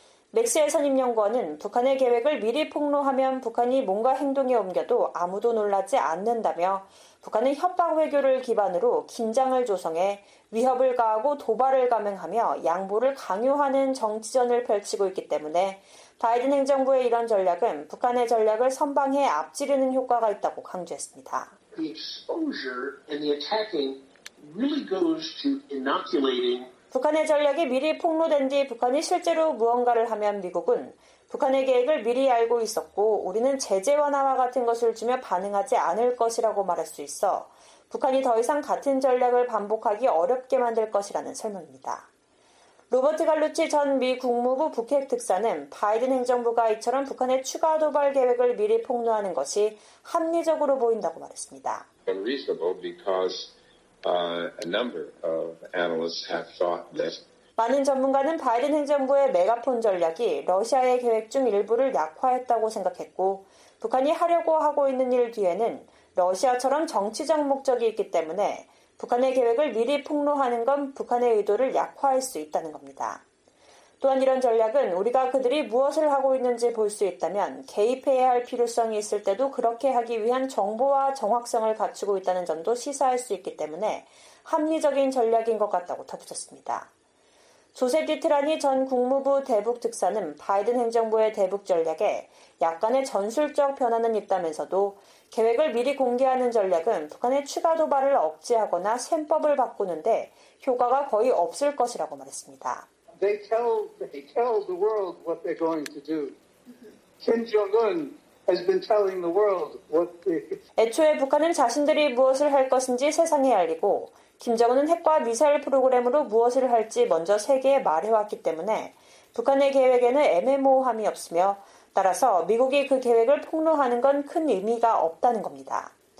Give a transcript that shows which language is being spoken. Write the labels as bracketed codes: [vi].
[ko] 맥스웰 선임연구원은 북한의 계획을 미리 폭로하면 북한이 뭔가 행동에 옮겨도 아무도 놀라지 않는다며 북한은 협박 외교를 기반으로 긴장을 조성해 위협을 가하고 도발을 감행하며 양보를 강요하는 정치전을 펼치고 있기 때문에 바이든 행정부의 이런 전략은 북한의 전략을 선방해 앞지르는 효과가 있다고 강조했습니다. [en] The exposure and the attacking really goes to inoculating [ko] 북한의 전략이 미리 폭로된 뒤 북한이 실제로 무언가를 하면 미국은 북한의 계획을 미리 알고 있었고 우리는 제재 완화와 같은 것을 주며 반응하지 않을 것이라고 말할 수 있어 북한이 더 이상 같은 전략을 반복하기 어렵게 만들 것이라는 설명입니다. 로버트 갈루치 전 미 국무부 북핵 특사는 바이든 행정부가 이처럼 북한의 추가 도발 계획을 미리 폭로하는 것이 합리적으로 보인다고 말했습니다. [en] Unreasonable because a number of analysts have thought that [ko] 많은 전문가는 바이든 행정부의 메가폰 전략이 러시아의 계획 중 일부를 약화했다고 생각했고 북한이 하려고 하고 있는 일 뒤에는 러시아처럼 정치적 목적이 있기 때문에 북한의 계획을 미리 폭로하는 건 북한의 의도를 약화할 수 있다는 겁니다. 또한 이런 전략은 우리가 그들이 무엇을 하고 있는지 볼 수 있다면 개입해야 할 필요성이 있을 때도 그렇게 하기 위한 정보와 정확성을 갖추고 있다는 점도 시사할 수 있기 때문에 합리적인 전략인 것 같다고 덧붙였습니다. 조세 디트라니 전 국무부 대북 특사는 바이든 행정부의 대북 전략에 약간의 전술적 변화는 있다면서도 계획을 미리 공개하는 전략은 북한의 추가 도발을 억제하거나 셈법을 바꾸는데 효과가 거의 없을 것이라고 말했습니다. [en] They tell the world what they're going to do. Kim Jong-un has been telling the world what they [ko] 애초에 북한은 자신들이 무엇을 할 것인지 세상에 알리고 김정은은 핵과 미사일 프로그램으로 무엇을 할지 먼저 세계에 말해왔기 때문에 북한의 계획에는 애매모호함이 없으며 따라서 미국이 그 계획을 폭로하는 건 큰 의미가 없다는 겁니다.